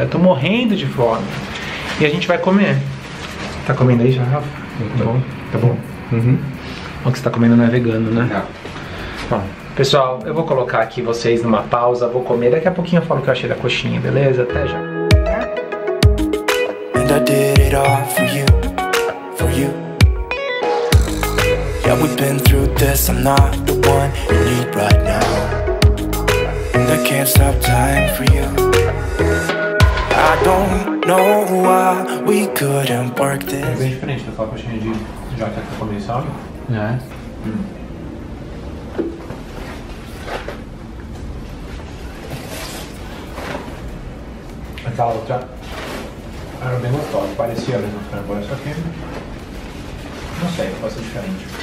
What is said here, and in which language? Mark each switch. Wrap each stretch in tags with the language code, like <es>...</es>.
<pt>Eu tô morrendo de fome. E a gente vai comer. Tá comendo aí já, Rafa? Tá bom. Tá bom. O que você tá comendo não é vegano, né? Não. Bom, pessoal, eu vou colocar aqui vocês numa pausa, vou comer. Daqui a pouquinho eu falo o que eu achei da coxinha, beleza? Até já.</pt> <en>And I did it all for you, for you. Yeah, we've been through this, I'm not the one you need right now. And I can't stop time for you. I don't know why we couldn't work this.</en> <pt>É bem diferente daquela coxinha de jaca que eu comi, sabe? É. Aquela outra era bem gostosa, parecia a mesma frangola, só que não sei, pode ser diferente.</pt>